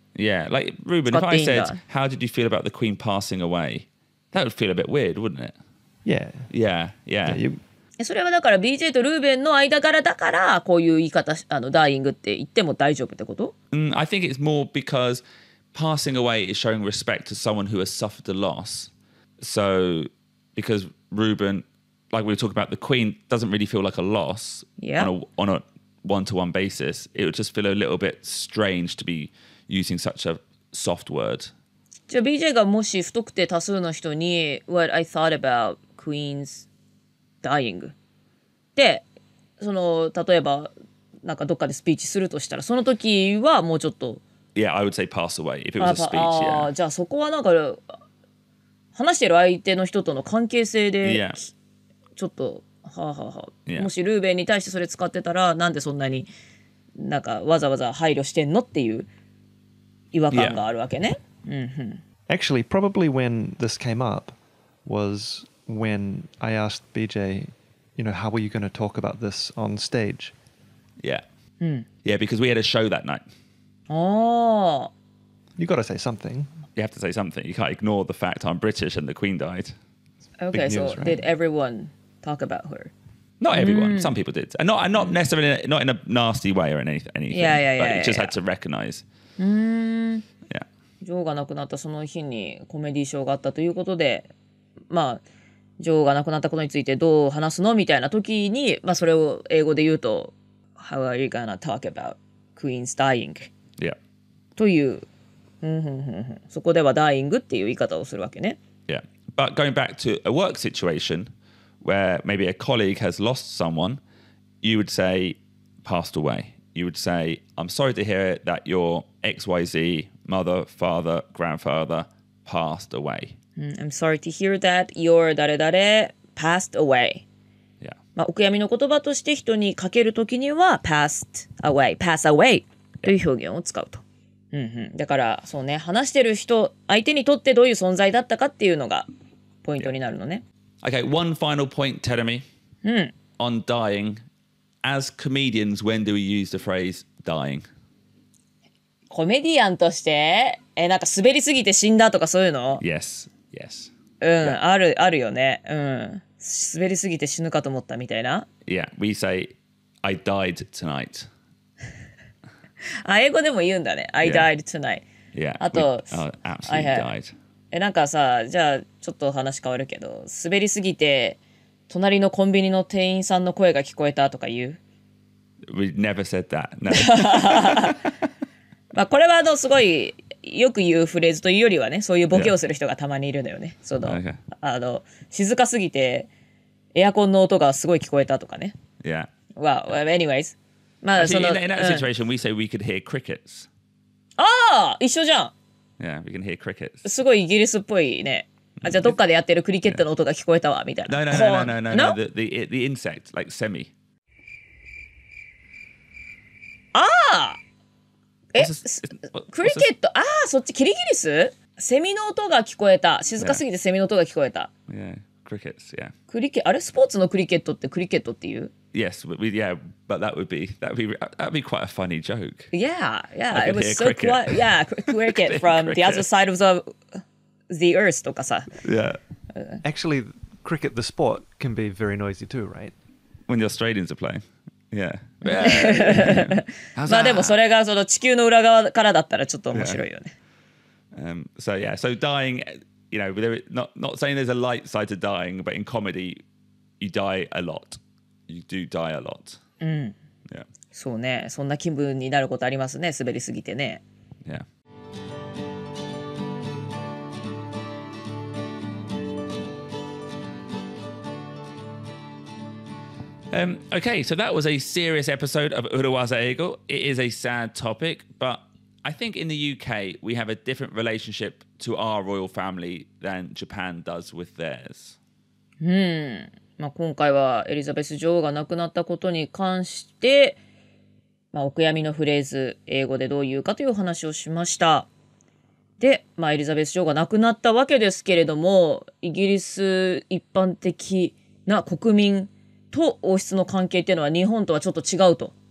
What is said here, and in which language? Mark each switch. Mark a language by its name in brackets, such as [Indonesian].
[English] Yeah, like Ruben, if I said How did you feel about the Queen passing away? That would feel a bit weird, wouldn't it? Yeah. Yeah, yeah. [Japanese] それはだから BJ とルーベンの間柄だからこういう言い方あの dying って言っても大丈夫ってこと、 [English] I think it's more because passing away is showing respect to someone who has suffered a loss. So, because RubenLike we were talking about, the Queen doesn't really feel like a loss、 yeah. on a one-to-one basis. It would just feel a little bit strange to be using such a soft word. [Japanese] じゃあ BJ がもし太くて多数の人に [English] What I thought about Queen's dying. [Japanese] で、その例えばなんかどっかでスピーチするとしたら、その時はもうちょっと [English] Yeah, I would say pass away if it was a speech. Yeah. [Japanese] じゃあそこはなんか話してる相手の人との関係性で、 [English] yeah. [Japanese] ちょっと、はあはあ、もしルーベンに対してそれ使ってたら、なんでそんなになんかわざわざ配慮してんのっていう違和感があるわけね。 [English] Yeah. [Japanese] うん、 [English] Actually, probably when this came up was when I asked BJ, you know, how are you going to talk about this on stage? Yeah.、 [Japanese] うん、 [English] yeah, because we had a show that night. Oh. You got to say something. You have to say something. You can't ignore the fact I'm British and the Queen died. Okay, news, so、right? did everyone talk about her? Not everyone.、Mm. Some people did. And not necessarily not in a nasty way or anything. Yeah. But you just had to recognize. Yeah. [Japanese] 女王が亡くなったその日にコメディーショーがあったということで、まあ、女王が亡くなったことについてどう話すのみたいな時に、まあ、それを英語で言うと、 [English] How are you gonna talk about Queen's dying? Yeah. [Japanese] という、そこではダイイングっていう言い方をするわけね。 [English] Yeah. But going back to a work situation... Where maybe a colleague has lost someone, you would say passed away. You would say, I'm sorry to hear that your XYZ mother, father, grandfather passed away. I'm sorry to hear that your 誰誰 passed away. Yeah. [Japanese] まあ、お悔やみの言葉として人にかけるときには passed away, pass away という表現を使うと。 [English] Yeah. [Japanese] うんうん、だからそうね、話してる人、相手にとってどういう存在だったかっていうのがポイントになるのね。 [English] Yeah. Okay, one final point, Terumi,、 [Japanese] うん、 [English] on dying. As comedians, when do we use the phrase dying? [Japanese] コメディアンとして、なんか滑りすぎて死んだとかそういうの? [English] Yes, yes. [Japanese] うん、 [English] yeah. [Japanese] あるよね。うん、滑りすぎて死ぬかと思ったみたいな。 [English] Yeah, we say, I died tonight. [Japanese] あ、英語でも言うんだね。 [English] I died tonight. Yeah, [Japanese] あと、 [English] absolutely died. [Japanese] なんかさ、じゃあちょっと話変わるけど、滑りすぎて隣のコンビニの店員さんの声が聞こえたとか言う [English] We never said that. No. [Japanese] まあこれはあのすごいよく言うフレーズというよりはね、そういうボケをする人がたまにいるんだよね。 [English] Yeah. [Japanese] その、 [English] okay. [Japanese] あの静かすぎてエアコンの音がすごい聞こえたとかね。 [English] Yeah. Well, well anyways. [Japanese] まあその [English] Actually, in that situation,、 [Japanese] うん、 [English] we say we could hear crickets. [Japanese] ああ、一緒じゃん。 [English] Yeah, we can hear crickets. [Japanese] すごいイギリスっぽいね。あ、じゃあどっかでやってるクリケットの音が聞こえたわ、みたいな。 [English] No. The insect, like semi. [Japanese] ああ、クリケット、ああ、そっち、キリギリス? セミの音が聞こえた。静かすぎてセミの音が聞こえた。 [English] Yeah, crickets, yeah. [Japanese] クリケ、あれ、スポーツのクリケットってクリケットっていう? [English] Yes, but, yeah, but that would be quite a funny joke. Yeah, yeah, it was so quiet. Yeah, cricket from the other side of the earth [Japanese] とかさ. [English] Yeah. Actually, cricket, the sport, can be very noisy too, right? When the Australians are playing. Yeah. [Japanese] まあでもそれがその地球の裏側からだったらちょっと面白いよね。 [English] So yeah, so dying, you know, not saying there's a light side to dying, but in comedy, you die a lot. You do die a lot. Yeah. [Japanese] そうね。そんな気分になることありますね。滑りすぎてね。 [English] Yeah. Okay, so that was a serious episode of 裏技英語. It is a sad topic, but I think in the UK, we have a different relationship to our royal family than Japan does with theirs. Hmm. [Japanese] まあ、今回はエリザベス女王が亡くなったことに関して、まあ、お悔やみのフレーズ英語でどう言うかという話をしました。で、まあ、エリザベス女王が亡くなったわけですけれども、イギリス一般的な国民と王室の関係っていうのは日本とはちょっと違うと。